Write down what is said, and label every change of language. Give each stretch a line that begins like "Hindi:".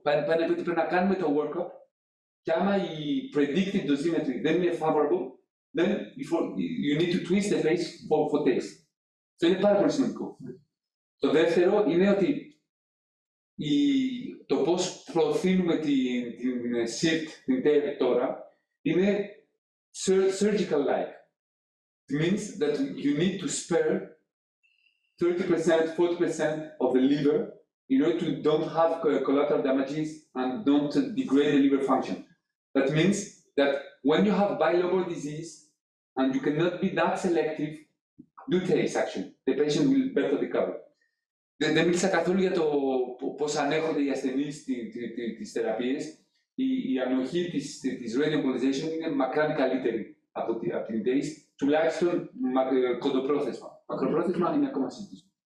Greek: Πρέπει να κάνουμε το workup και άμα η predicted dosimetry δεν είναι favorable,
English: then you need to twist the face for taste.
Greek: Αυτό είναι πάρα πολύ σημαντικό. Το δεύτερο είναι ότι το πώς προωθήνουμε την SIRT, την TAR τώρα, είναι surgical-like.
English: It means that you need to spare 30%, 40% of the liver in order to don't have collateral damages and don't degrade the liver function. That means that when you have bilobar disease, and you cannot be that selective, do TACE action. The patient will better recover.
Greek: Δεν μίλησα καθόλου για το πώς ανέχονται οι ασθενείς τις θεραπείες. Η ανοχή της radiomobilization είναι μακράν καλύτερη από την TACE, τουλάχιστον κοντοπρόθεσμα. Μακροπρόθεσμα είναι ακόμα συζήτηση.